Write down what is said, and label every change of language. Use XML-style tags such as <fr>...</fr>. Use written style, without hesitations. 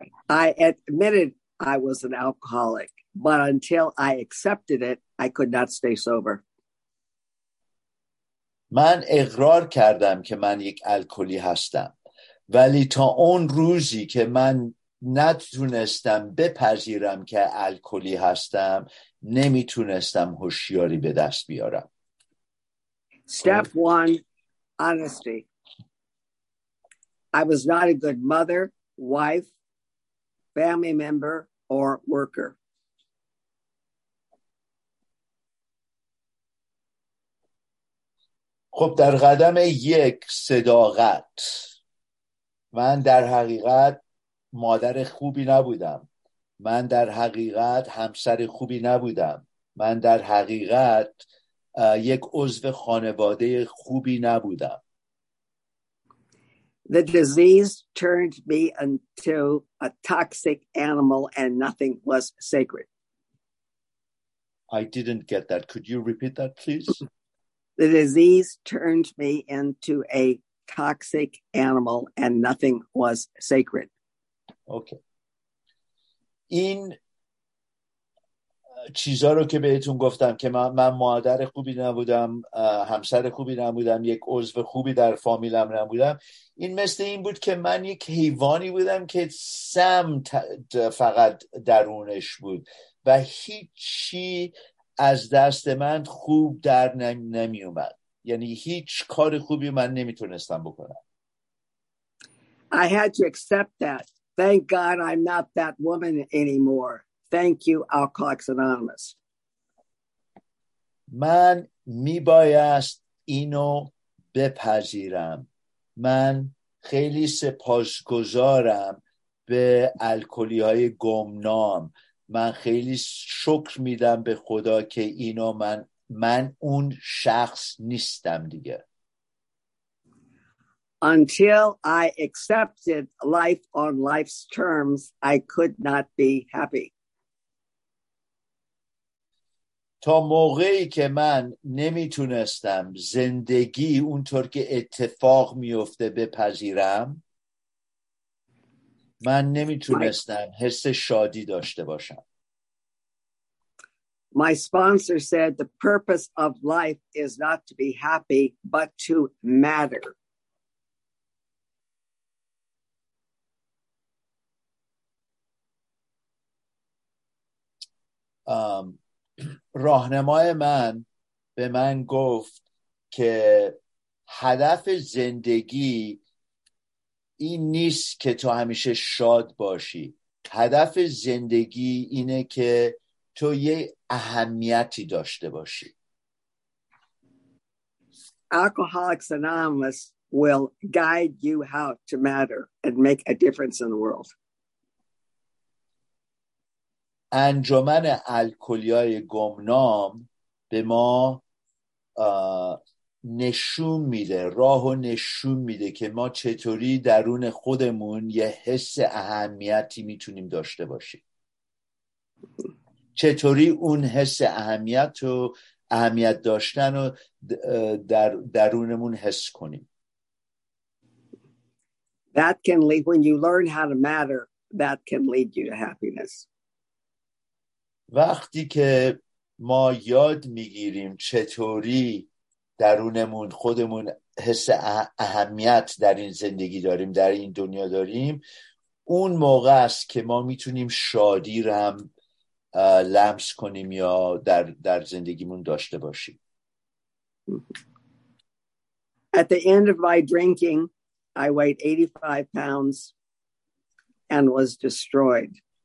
<en>I admitted I was an alcoholic, but until I accepted it, I could not stay sober.</en> <fa>من اقرار کردم که من یک الکلی هستم، ولی تا اون روزی که من نتونستم بپذیرم که الکلی هستم، نمیتونستم هوشیاری به دست بیارم.</fa> <en>Step one, honesty. I was not a good mother, wife, family member, or worker.</en> <fa>خب در قدم یک صداقت. من در حقیقت مادر خوبی نبودم. من در حقیقت همسر خوبی نبودم. من در حقیقت یک عضو خانواده خوبی نبودم.</fa> <en>The disease turned me into a toxic animal and nothing was sacred. I didn't get that. Could you repeat that, please? The disease turned me into a toxic animal and nothing was sacred.</en> <fa>اوکی. این چیزا رو که بهتون گفتم که من مادر خوبی نبودم، همسر خوبی نبودم، یک عضو خوبی در فامیلم نبودم، این مثل این بود که من یک حیوانی بودم که سمت فقط درونش بود و هیچی از دست من خوب در نمی اومد، یعنی هیچ کار خوبی من نمیتونستم بکنم.</fa> <en>I had to accept that. Thank God I'm not that woman anymore. Thank you, Alcoholics Anonymous.</en> <fa>من میبایست اینو بپذیرم. من خیلی سپاسگزارم به الکلی‌های گمنام. من خیلی شکر میدم به خدا که اینو من اون شخص نیستم دیگه.</fa> <en>Until I accepted life on life's terms, I could not be happy.</en> <fa>تا موقعی که من نمیتونستم زندگی اونطور که اتفاق میفته بپذیرم، من نمیتونستم حس شادی داشته باشم.</fa> <en>My sponsor said the purpose of life is not to be happy, but to matter.</en> <fa>راهنمای من به من گفت که هدف زندگی این نیست که تو همیشه شاد باشی. هدف زندگی اینه که تو یه اهمیتی داشته باشی.</fa> <en>Alcoholics Anonymous will guide you how to matter and make a difference in the world.</en> <fa>انجمن الکلی‌های گمنام به ما نشون میده، راه و نشون میده که ما چطوری درون خودمون یه حس اهمیتی میتونیم داشته باشیم، چطوری اون حس اهمیت و اهمیت داشتن رو در درونمون حس کنیم.</fa> <en>That can lead, when you learn how to matter, that can lead you to happiness.</en> <fa>وقتی که ما یاد میگیریم چطوری درونمون خودمون حس اهمیت در این زندگی داریم، در این دنیا داریم، اون موقع است که ما میتونیم شادی رو هم لمس کنیم یا در زندگیمون داشته باشیم.</fa> <en>At the end of my drinking, I weighed 85 pounds and was destroyed.</en>